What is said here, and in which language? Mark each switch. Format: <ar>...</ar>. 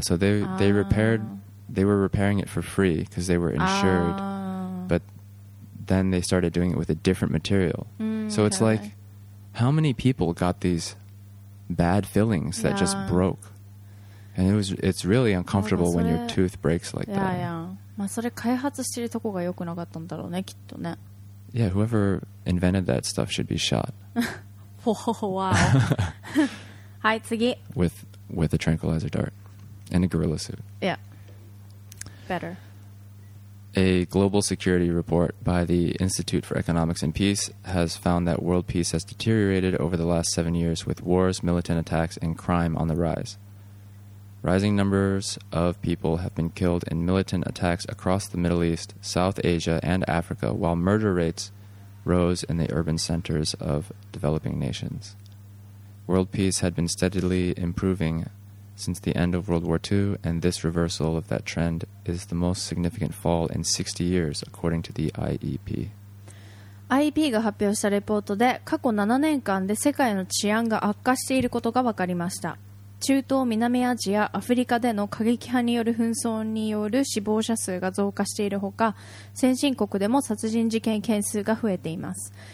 <en>So they were repairing it for free because they were insured. But then they started doing it with a different material. So it's like, how many people got these bad fillings that just broke? And it's really uncomfortable when your tooth breaks like that. Yeah, yeah.</en> <ja>まあそれ開発してるとこが良くなかったんだろうね、きっとね。</ja> <en>Yeah, whoever invented that stuff should be shot. Oh, wow.</en> <ja>はい、次。</ja> <en>With a tranquilizer dart and a gorilla suit. Yeah. Better. A global security report by the Institute for Economics and Peace has found that world peace has deteriorated over the last 7 years with wars, militant attacks, and crime on the rise. Rising numbers of people have been killed in militant attacks across the Middle East, South Asia, and Africa, while murder rates rose in the urban centers of developing nations. World peace had been steadily improving. Since the end of World War II, and this reversal of that trend is the most significant fall in 60 years, according to the IEP.</en> <ja>IEP が発表したレポートで、過去7年間で世界の治安が悪化していることが分かりました。中東、南アジア、アフリカでの過激派による紛争による死亡者数が増加しているほか、先進国でも殺人事件件数が増えています。</ja>